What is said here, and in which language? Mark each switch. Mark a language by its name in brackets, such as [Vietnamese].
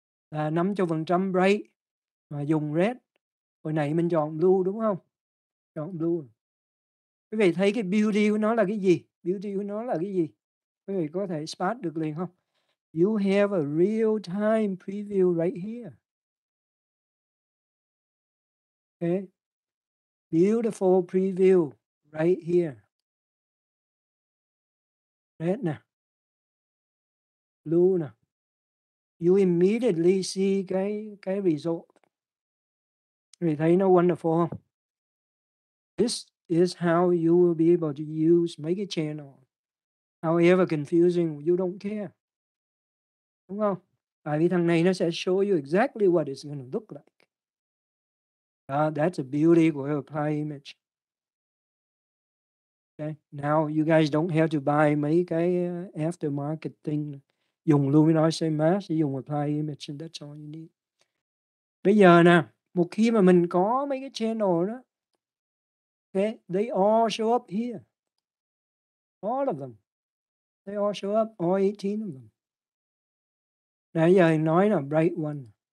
[Vietnamese] Là 50% right. Mà dùng red. Hồi nãy mình chọn blue, đúng không? Chọn blue. Quý vị thấy cái beauty của nó là cái gì? Beauty của nó là cái gì? Quý vị có thể spot được liền không? [English] You have a real time preview right here. Okay. Beautiful preview right here. Red nè. Blue nè. You immediately see cái result. [Vietnamese] Quý vị thấy nó wonderful không? [English] This is how you will be able to use make a channel. However confusing, you don't care. [Vietnamese] Đúng không? Tại vì thằng này nó sẽ [English] show you exactly what it's going to look like. That's the beauty của apply image. Okay. Now you guys don't have to buy mấy cái aftermarket thing. Dùng Luminosity Mask, dùng apply image, and that's all you need. [Vietnamese] Bây giờ nè, một khi mà mình có mấy cái channel đó, okay, [English] they all show up here. All of them. They all show up, all 18 of them. [Vietnamese] Nãy giờ nói là [English] bright one.